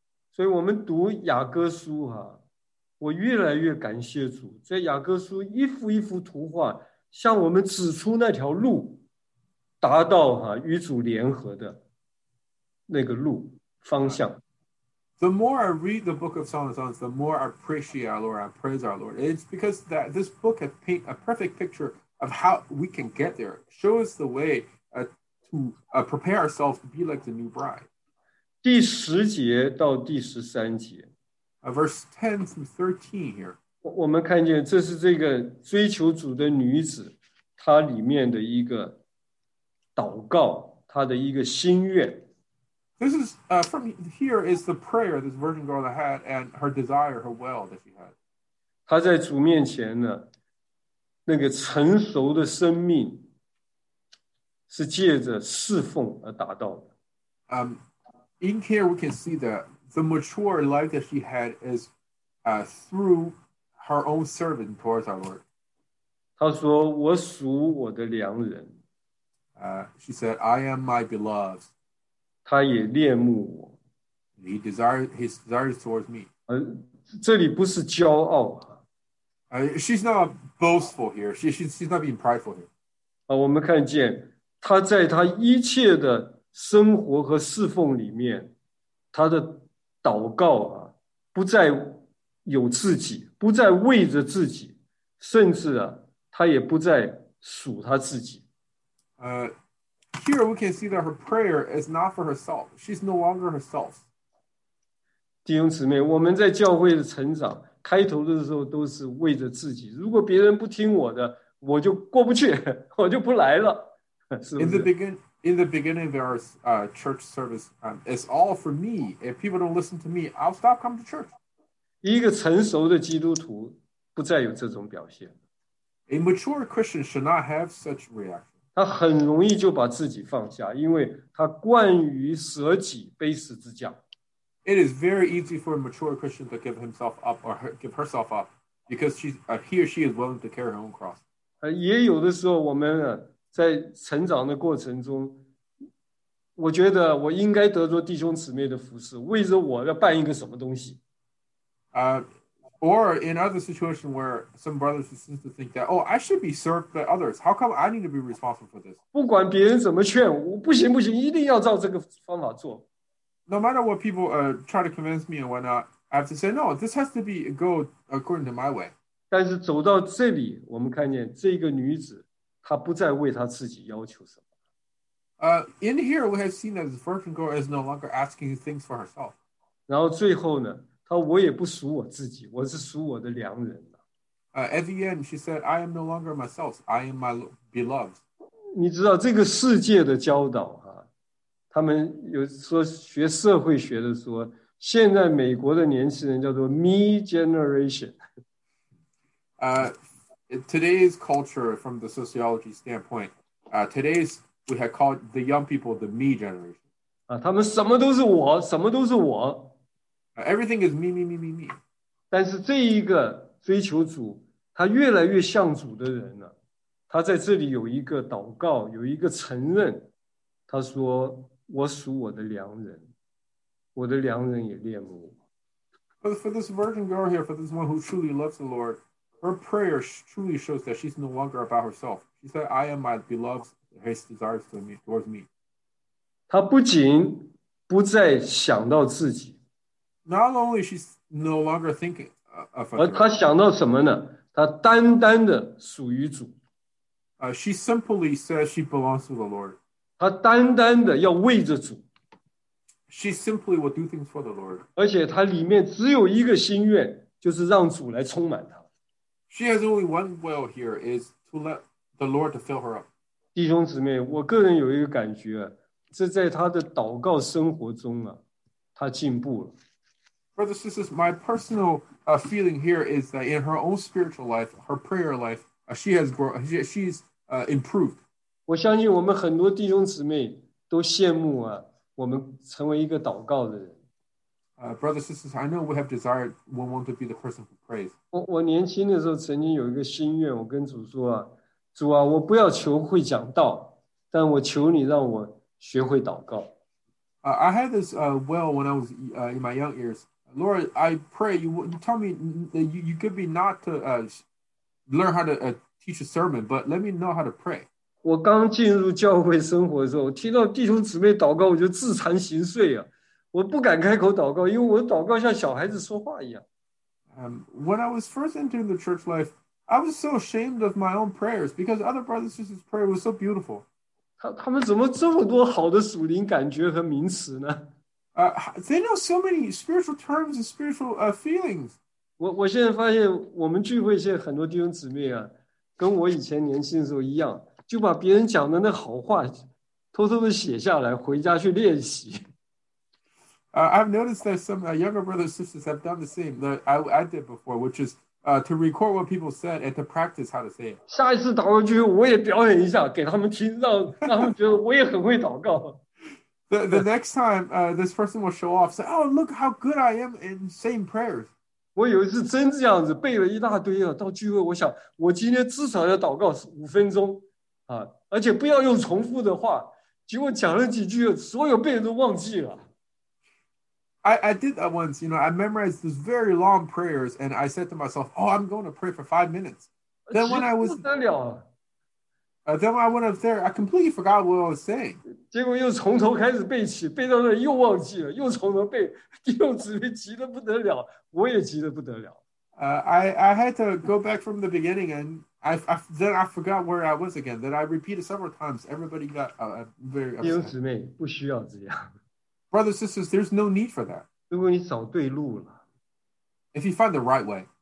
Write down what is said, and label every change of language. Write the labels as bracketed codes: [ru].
[zh] 所以我们读雅各书啊，我越来越感谢主，在雅各书一幅一幅图画向我们指出那条路，达到啊与主联合的那个路方向。 [en] The more I read the book of Song of Songs, the more I appreciate our Lord, I praise our Lord. It's because that this book has paint a perfect picture of how we can get there. Show us the way prepare ourselves to be like the new bride. [zh] 第十节到第十三节。 [en] Verse 10 through 13 here. [zh] 我们看见这是这个追求主的女子，她里面的一个祷告，她的一个心愿。 [en] This is from here is the prayer this virgin girl had and her desire, her will that she had. [zh] 她在主面前呢，那个成熟的生命是借着侍奉而达到的。 [en] In here we can see that the mature life that she had is through her own servant towards our Lord. [zh] 她说，我属我的良人。 [en] She said, I am my beloved. [zh] 他也恋慕我。 [en] His desire is towards me. [zh] 这里不是骄傲。 [en] She's not boastful here. She's not being prideful here. [zh] 我们看见他在他一切的生活和侍奉里面，他的祷告啊，不再有自己，不再为着自己，甚至啊，他也不再属他自己。 [en] Here we can see that her prayer is not for herself. She's no longer herself. [zh] 弟兄姊妹，我们在教会的成长，开头的时候都是为着自己。如果别人不听我的，我就过不去，我就不来了。 [en] In the beginning of our church service, it's all for me. If people don't listen to me, I'll stop coming to church. [zh] 一个成熟的基督徒不再有这种表现。 [en] A mature Christian should not have such reaction. [zh] 他很容易就把自己放下，因为他惯于舍己背十字架。 [en] It is very easy for a mature Christian to give himself up or give herself up because he or she is willing to carry her own cross. [zh] 也有的时候我们在成长的过程中，我觉得我应该得着弟兄姊妹的服侍，为着我要办一个什么东西。 [en] Or in other situations where some brothers and sisters think that, oh, I should be served by others. How come I need to be responsible for this? [zh] 不管别人怎么劝我，不行不行，一定要照这个方法做。 [en] No matter what people try to convince me and whatnot, I have to say, no, this has to be go according to my way. [zh] 但是走到这里，我们看见这个女子，她不再为她自己要求什么。 [en] In here, we have seen that the virgin girl is no longer asking things for herself. [zh] 然后最后呢？他我也不属我自己，我是属我的良人了。 [en] At the end, she said, "I am no longer myself. I am my beloved." [zh] 你知道这个世界的教导啊，他们有说学社会学的说，现在美国的年轻人叫做 "Me Generation." [en] Today's culture, from the sociology standpoint, today's we have called the young people the Me Generation. [zh] 啊，他们什么都是我，什么都是我。 [en] Everything is me, me, me, me, me. [zh] 但是这一个追求主，他越来越像主的人呢，他在这里有一个祷告，有一个承认。他说：“我属我的良人，我的良人也恋慕我。” [en] But for this virgin girl here, for this one who truly loves the Lord, her prayer truly shows that she's no longer about herself. She said, "I am my beloved; his desires towards me." [zh] 他不仅不再想到自己。 [en] Not only she's no longer thinking of [zh] her. 而她想到什么呢？她单单的属于主。 [en] She simply says she belongs to the Lord. [zh] 她单单的要为着主。 [en] She simply will do things for the Lord. [zh] 而且她里面只有一个心愿，就是让主来充满她。 [en] She has only one will here, is to let the Lord to fill her up. [zh] 弟兄姊妹，我个人有一个感觉，这在他的祷告生活中啊，他进步了。 [en] Brothers, this is my personal feeling here is that in her own spiritual life, her prayer life, she has grown, she's improved. [zh] 我相信我们很多弟兄姊妹都羡慕啊，我们成为一个祷告的人。 [en] Brothers, sisters, I know we have desired, we want to be the person who prays. [zh] 我年轻的时候曾经有一个心愿，我跟主说啊，主啊，我不要求会讲道，但我求你让我学会祷告。 [en] I had this well when I was in my young years. Lord, I pray you tell me that you could be not to learn how to teach a sermon, but let me know how to pray. [zh] 我刚进入教会生活的时候，听到弟兄姊妹祷告，我就自惭形秽啊！我不敢开口祷告，因为我祷告像小孩子说话一样。 [en] When I was first entering the church life, I was so ashamed of my own prayers because other brothers and sisters' prayer was so beautiful. [zh] 他们怎么这么多好的属灵感觉和名词呢？ [en] They know so many spiritual terms and spiritual feelings. [zh] 我现在发现我们聚会现在很多弟兄姊妹啊，跟我以前年轻的时候一样，就把别人讲的那好话偷偷的写下来，回家去练习。 [en] I've noticed that some younger brothers and sisters have done the same that I did before, which is to record what people said and to practice how to say it. [zh] 下一次祷告聚会我也表演一下给他们听，让他们觉得我也很会祷告。 [en] The next time, this person will show off, say, oh, look how good I am in saying prayers. [zh] 我有一次真这样子背了一大堆啊，到聚会我想我今天至少要祷告五分钟啊，而且不要用重复的话，结果讲了几句所有背都忘记了。 [en] I did that once, you know, I memorized those very long prayers and I said to myself, oh, I'm going to pray for 5 minutes. Then when I was, then when I went up there, I completely forgot what I was saying. [zh] 结果又从头开始背起，背到那又忘记了，又从头背，弟兄姊妹急得不得了，我也急得不得了。 [en] I had to go back from the beginning and then I forgot where I was again. Then I repeated several times. Everybody got very upset. [zh] 弟兄姊妹不需要这样。 [en] Brothers and sisters, there's no need for that. [zh] 如果你找对路了, [en] if you find the right way,